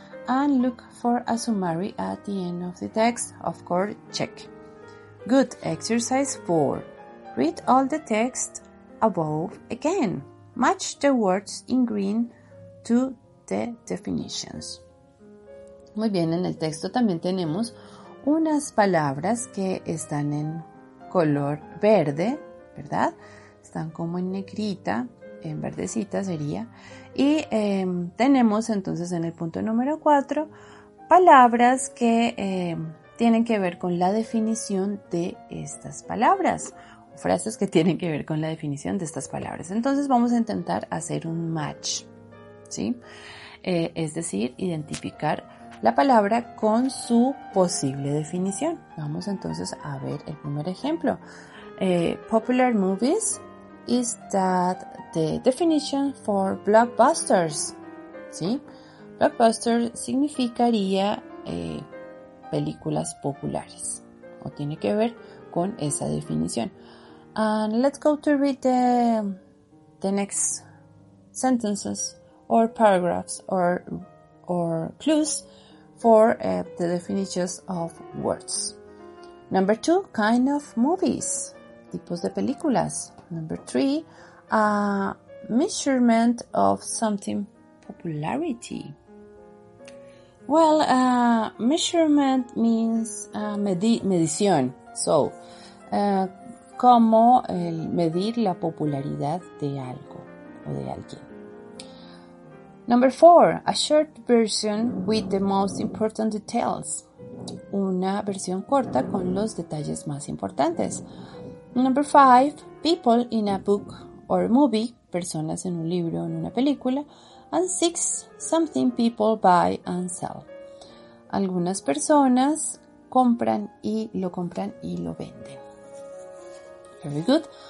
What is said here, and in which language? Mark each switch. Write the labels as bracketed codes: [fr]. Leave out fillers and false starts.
[en] And look for a summary at the end of the text. Of course, check. Good. Exercise 4. Read all the text above again. Match the words in green to the definitions. [es] Muy bien, en el texto también tenemos unas palabras que están en color verde, ¿verdad? Están como en negrita, en verdecita sería. Y tenemos entonces en el punto número 4 palabras que tienen que ver con la definición de estas palabras. Frases que tienen que ver con la definición de estas palabras. Entonces vamos a intentar hacer un match. ¿sí? Es decir, identificar la palabra con su posible definición. Vamos entonces a ver el primer ejemplo. [en] Popular movies, is that the definition for blockbusters? [es] ¿Sí? Blockbuster significaría películas populares, o tiene que ver con esa definición. [en] And let's go to read the next sentences or paragraphs or clues for the definitions of words. Number two, kind of movies, [es] tipos de películas. [en] Number three, a measurement of something popularity. Well, measurement means medición. So, [es] como el medir la popularidad de algo o de alguien. [en] Number four, a short version with the most important details. [es] Una versión corta con los detalles más importantes. [en] Number five, people in a book or movie, [es] personas en un libro o en una película. [en] And six, something people buy and sell. [es] Algunas personas compran y lo compran y lo venden. [en] Very good.